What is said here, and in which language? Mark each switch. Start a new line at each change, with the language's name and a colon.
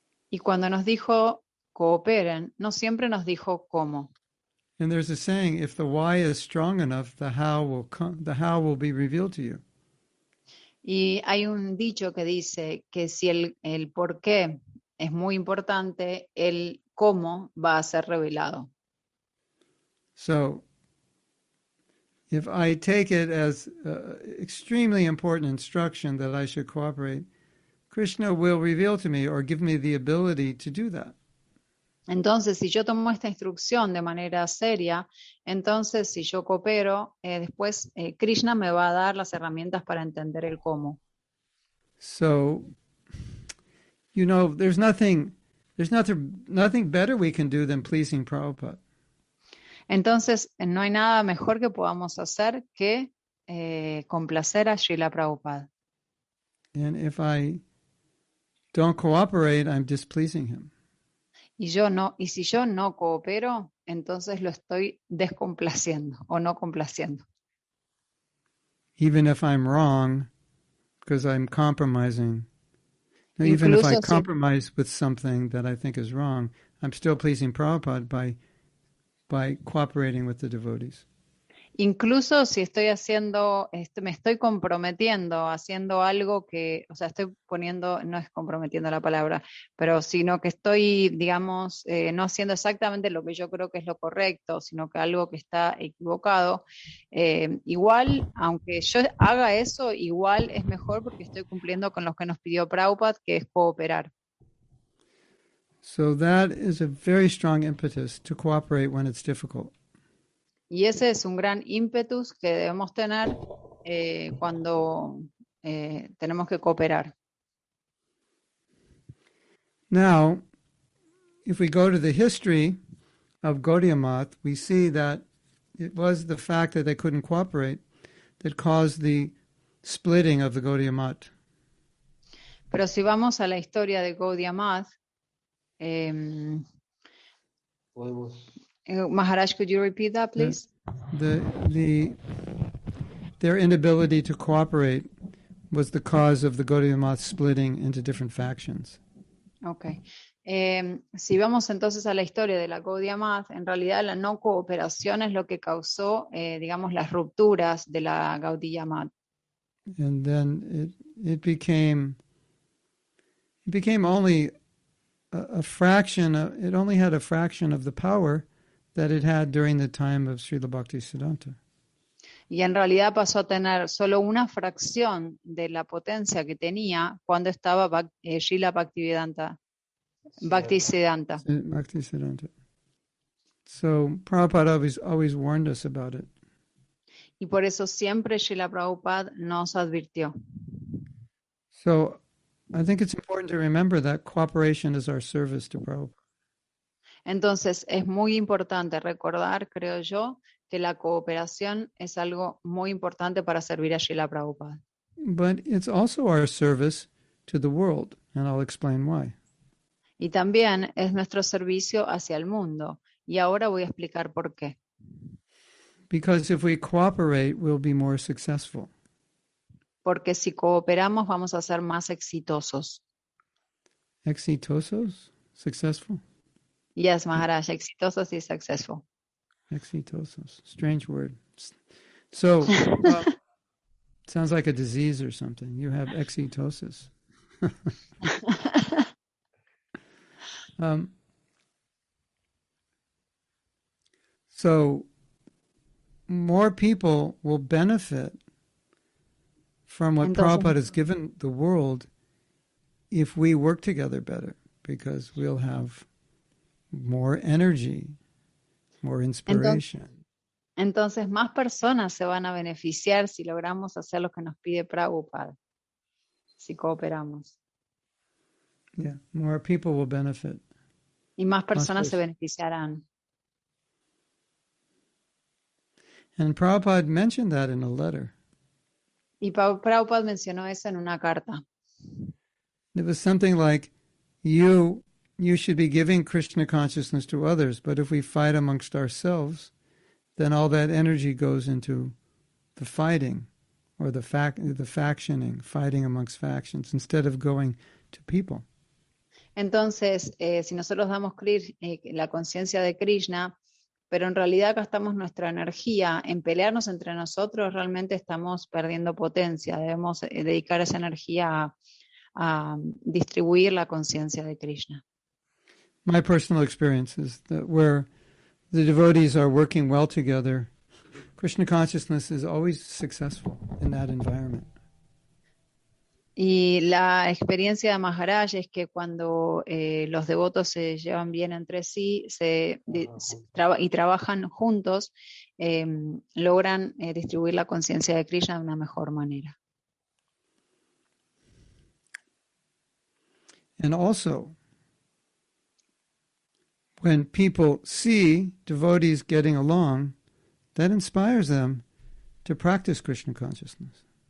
Spanish: Y cuando nos dijo cooperen, no siempre nos dijo cómo.
English: And there's a saying, if the why is strong enough, the how will come, the how will be revealed to you.
Spanish: Y hay un dicho que dice que si el por qué es muy importante, el cómo va a ser revelado.
English: So, if I take it as extremely important instruction that I should cooperate, Krishna will reveal to me or give me the ability to do that.
Spanish: Entonces, si yo tomo esta instrucción de manera seria, entonces, si yo coopero, después Krishna me va a dar las herramientas para entender el cómo.
English: So, you know, there's nothing better we can do than pleasing Prabhupada.
Spanish: Entonces, no hay nada mejor que podamos hacer que complacer a Srila Prabhupada.
English: And if I don't cooperate, I'm displeasing him.
Spanish: Y si yo no coopero, entonces lo estoy descomplaciendo o no complaciendo.
English: Even if I'm wrong, because I'm compromising. Now, even if I
Spanish: Incluso si.
English: compromise with something that I think is wrong, I'm still pleasing Prabhupada by cooperating with the devotees.
Spanish: Incluso si estoy haciendo, me estoy comprometiendo haciendo algo que, o sea, estoy poniendo, no es comprometiendo la palabra, pero sino que estoy, digamos, no haciendo exactamente lo que yo creo que es lo correcto, sino que algo que está equivocado, igual, aunque yo haga eso, igual es mejor porque estoy cumpliendo con lo que nos pidió Prabhupada, que es cooperar.
English: So that is a very strong impetus to cooperate when it's difficult.
Spanish: Y ese es un gran ímpetus que debemos tener cuando tenemos que cooperar.
English: Now, if we go to the history of Gaudiya Math, we see that it was the fact that they couldn't cooperate that caused the splitting of the Gaudiya Math.
Spanish: Pero si vamos a la historia de Gaudiya Math, Maharaj,
English: could you repeat that, The please? their inability to cooperate was the cause of the Gaudiya Math splitting into different factions. Okay.
Spanish: Si vamos entonces a la historia de la Gaudiya Math, en realidad la no cooperación es lo que causó, digamos, las rupturas de la Gaudiya Math.
English: And then it became only a fraction of, it only had a fraction of the power that it had during the time of Srila Bhaktisiddhanta.
Spanish: Y en realidad pasó a tener solo una fracción de la potencia que tenía cuando estaba Srila Bhaktisiddhanta.
English: Bhaktisiddhanta. So Prabhupada always warned us about it.
Spanish: Y por eso siempre Srila Prabhupada nos advirtió.
English: So I think it's important to remember that cooperation is our service to Prabhupada.
Spanish: Entonces es muy importante recordar, creo yo, que la cooperación es algo muy importante para servir a Srila Prabhupada.
English: But it's also our service to the world, and I'll explain why.
Spanish: Y también es nuestro servicio hacia el mundo, y ahora voy a explicar por qué.
English: Because if we cooperate, we'll be more successful.
Spanish: Porque si cooperamos vamos a ser más exitosos. Exitosos, successful.
English: Yes,
Spanish: Maharaj, exitosos y successful.
English: Exitosos, strange word. So, sounds like a disease or something. You have exitosis. So more people will benefit from what
Spanish: Entonces,
English: Prabhupada has given the world if we work together better, because we'll have more energy, more inspiration.
Spanish: Más personas se van a beneficiar si logramos hacer lo que nos pide Prabhupada, si cooperamos.
English: Yeah, more people will benefit.
Spanish: Y más Más personas se
English: person.
Spanish: beneficiarán.
English: And Prabhupada mentioned that in a letter.
Spanish: Y Prabhupada mencionó eso en una carta.
English: It was something like, you should be giving Krishna consciousness to others, but if we fight amongst ourselves, then all that energy goes into the fighting or the factioning, fighting amongst factions, instead of going to people.
Spanish: Entonces, si nosotros damos la conciencia de Krishna, pero en realidad gastamos nuestra energía en pelearnos entre nosotros, realmente estamos perdiendo potencia. Debemos dedicar esa energía a distribuir la conciencia de Krishna.
English: My personal experience is that where the devotees are working well together, Krishna consciousness is always successful in that environment.
Spanish: Y la experiencia de Maharaj es que cuando los devotos se llevan bien entre sí y trabajan juntos, logran distribuir la conciencia de Krishna de una mejor manera.
English: And also, when people see devotees getting along, that inspires them to practice Krishna consciousness.